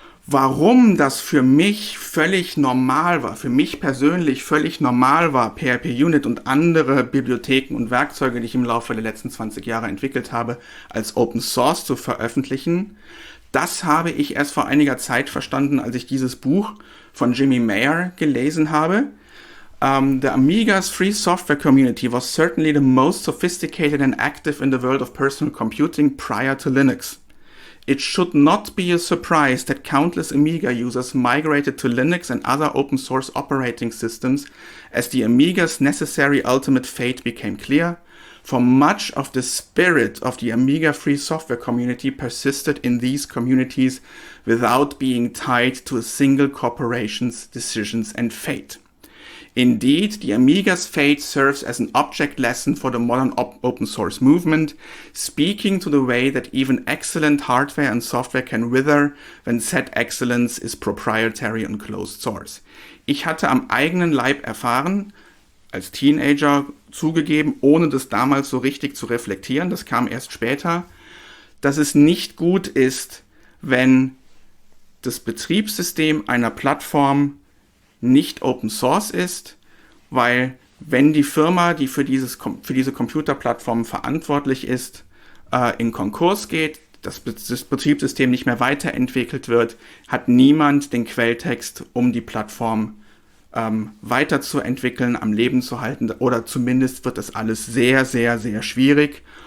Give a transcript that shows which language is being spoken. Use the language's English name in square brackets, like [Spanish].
[German] Warum das für mich völlig normal war, für mich persönlich völlig normal war, PHP Unit und andere Bibliotheken und Werkzeuge, die ich im Laufe der letzten 20 Jahre entwickelt habe, als Open Source zu veröffentlichen, das habe ich erst vor einiger Zeit verstanden, als ich dieses Buch von Jimmy Mayer gelesen habe. [English] The Amiga's free software community was certainly the most sophisticated and active in the world of personal computing prior to Linux. It should not be a surprise that countless Amiga users migrated to Linux and other open source operating systems as the Amiga's necessary ultimate fate became clear. For much of the spirit of the Amiga free software community persisted in these communities without being tied to a single corporation's decisions and fate. Indeed, the Amiga's fate serves as an object lesson for the modern open source movement, speaking to the way that even excellent hardware and software can wither when said excellence is proprietary and closed source. [German] Ich hatte am eigenen Leib erfahren, als Teenager zugegeben, ohne das damals so richtig zu reflektieren, das kam erst später, dass es nicht gut ist, wenn das Betriebssystem einer Plattform nicht Open Source ist, weil wenn die Firma, die für diese Computerplattform verantwortlich ist, in Konkurs geht, das Betriebssystem nicht mehr weiterentwickelt wird, hat niemand den Quelltext, um die Plattform weiterzuentwickeln, am Leben zu halten, oder zumindest wird das alles sehr, sehr, sehr schwierig.